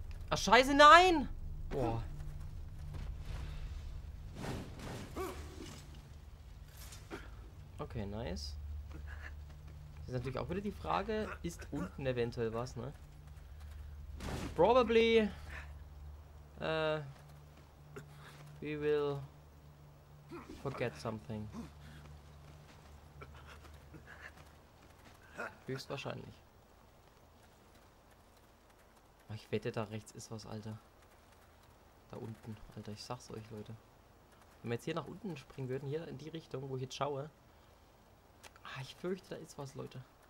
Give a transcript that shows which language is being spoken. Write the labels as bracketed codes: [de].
[de] Ach, scheiße, nein! Boah. Okay, nice. Das ist natürlich auch wieder die Frage, ist unten eventuell was, ne? [en] Probably. We will forget something. [de] Höchstwahrscheinlich. Ich wette, da rechts ist was, Alter. Da unten, Alter. Ich sag's euch, Leute. Wenn wir jetzt hier nach unten springen würden, hier in die Richtung, wo ich jetzt schaue. Ich fürchte, da ist was, Leute.